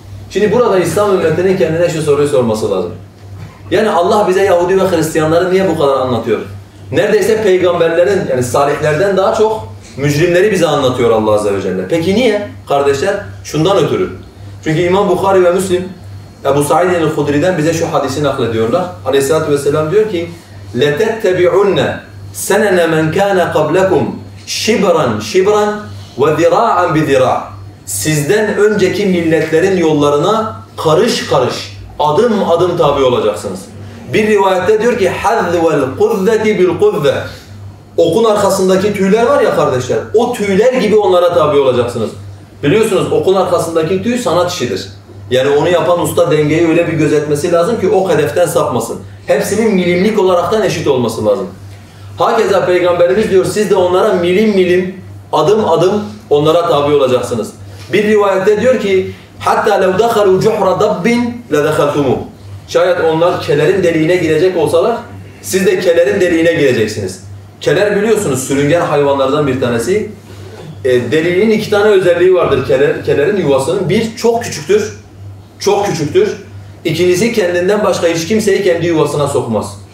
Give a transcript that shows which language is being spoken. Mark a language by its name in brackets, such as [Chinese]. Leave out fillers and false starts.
[Turkish] Şimdi burada İslam ümmetinin kendine şu soruyu sorması lazım. Yani Allah bize Yahudi ve Hristiyanları niye bu kadar anlatıyor? Neredeyse peygamberlerin yani salihlerden daha çok mücrimleri bize anlatıyor Allah Azze ve Celle. Peki niye kardeşler? Şundan ötürü. Çünkü İmam Bukhari ve Müslim Ebu Sa'id el-Hudri'den bize şu hadisi naklediyorlar. Aleyhissalatu vesselam diyor ki [Arabic] لَتَتَّبِعُنَّ سَنَنَ مَنْ كَانَ قَبْلَكُمْ شِبْرًا شِبْرًا وَذِرَاعًا بِذِرَاعًا. [Turkish] Sizden önceki milletlerin yollarına karış karış, adım adım tabi olacaksınız. Bir rivayette diyor ki [Arabic] حَذْوَ الْقُذَّةِ بِالْقُذَّةِ. [Turkish] Okun arkasındaki tüyler var ya kardeşler, o tüyler gibi onlara tabi olacaksınız. Biliyorsunuz okun arkasındaki tüy sanat işidir. Yani onu yapan usta dengeyi öyle bir gözetmesi lazım ki ok hedeften sapmasın. Hepsinin milimlik olaraktan eşit olması lazım. Hakeza Peygamberimiz diyor, siz de onlara milim milim, adım adım onlara tabi olacaksınız. Bir rivayette diyor ki [Arabic] حَتَّى لَوْ دَخَلُوا جُحْرَ دَبِّنْ لَدَخَلْتُمُوا. [Turkish] Şayet onlar kelerin deliğine girecek olsalar, siz de kelerin deliğine gireceksiniz. Keler biliyorsunuz sürüngen hayvanlardan bir tanesi. Deliğin iki tane özelliği vardır kelerin yuvasının. Bir, çok küçüktür. Çok küçüktür. İkincisi, kendinden başka hiç kimseyi kendi yuvasına sokmaz.